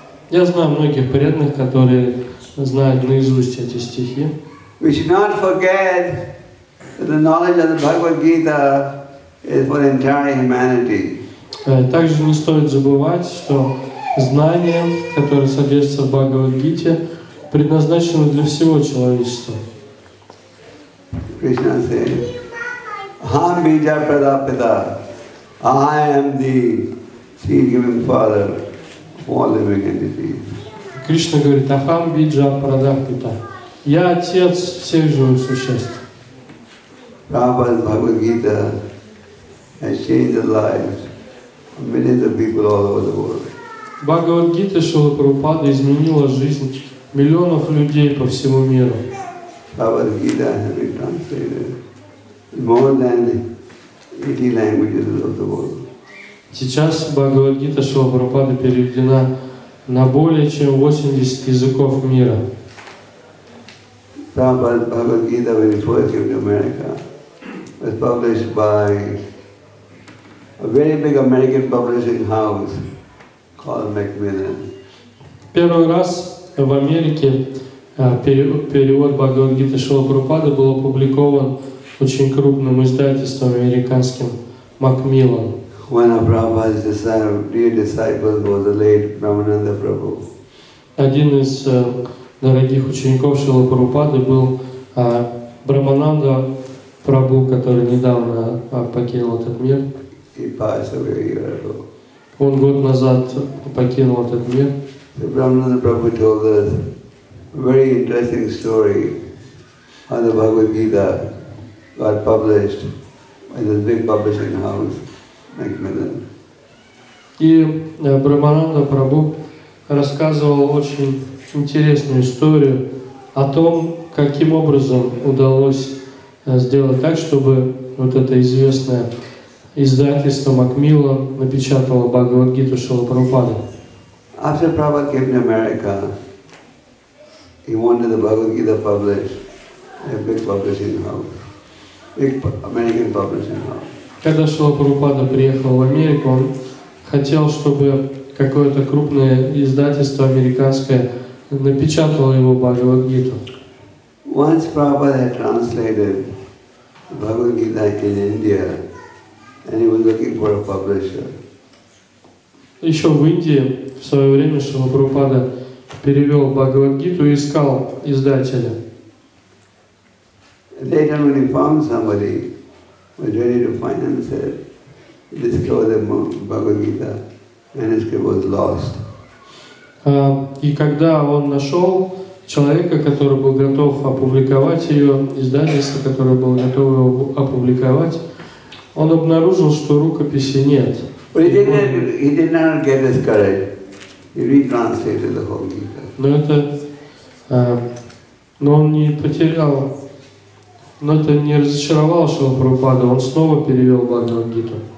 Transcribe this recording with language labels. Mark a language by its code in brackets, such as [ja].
[ru] Я знаю многих преданных, которые знают наизусть эти стихи. [en] We should not forget that the knowledge of the Bhagavad Gita is for entire humanity. [ru] Также не стоит забывать, что знание, которое содержится в Бхагавад Гите, предназначено для всего человечества. [en] Krishna says, [sa] "Aham bija pradapita. [en] I am the seed-giving father of all living entities." [ru] Кришна говорит: [sa] "Aham bija pradapita. [ru] Я отец всех живых существ." [en] Prabhupada's Bhagavad Gita has changed the lives of millions of people all over the world. [ru] Bhagavad Gita Шрилы Прабхупады изменила жизнь миллионов людей по всему миру. [en] Prabhupada's Gita has been translated in more than 80 languages of the world. [ru] Сейчас Bhagavad Gita Шрилы Прабхупады переведена на более чем 80 языков мира. [en] Prabhupada's Bhagavad Gita, when he first came to America, was published by a very big American publishing house called Macmillan. [ru] Первый раз в Америке перевод Бхагавад Гиты Шрилы Прабхупады был опубликован очень крупным издательством американским Macmillan. [en] One of Prabhupada's dear disciples was the late Brahmananda Prabhu. [ru] Один из дорогих учеников Шрилы Прабхупады был Брахмананда Прабху, который недавно покинул этот мир. [en] He passed away a year ago. [ru] Он год назад покинул этот мир. [en] So Brahmananda Prabhu told us a very interesting story how the Bhagavad Gita got published in this big publishing house, Macmillan. [ru] И Брахмананда Прабху рассказывал очень интересную историю о том, каким образом удалось сделать так, чтобы вот это известное издательство Macmillan напечатало Бхагавад-гиту Шрилы Прабхупады. [en] After Prabhupada came to America, he wanted the Bhagavad-gita published, a big publishing house, big American publishing house. [ru] Когда Шрила Прабхупада приехал в Америку, он хотел, чтобы какое-то крупное издательство американское напечатал его Бхагавад-гиту. [en] Once Prabhupada had translated Bhagavad-gita in India, and he was looking for a publisher. [ru] Еще в Индии в свое время Шрила Прабхупада перевел Бхагавад-гиту и искал издателя. [en] Later when he found somebody who was ready to finance it, he discovered the Bhagavad-gita manuscript was lost. [ru] И когда он нашел человека, который был готов опубликовать ее, издательство, которое было готово опубликовать, он обнаружил, что рукописи нет. Но он не потерял, но это не разочаровало Шрила Прабхупаду, он снова перевел Бхагавад-гиту.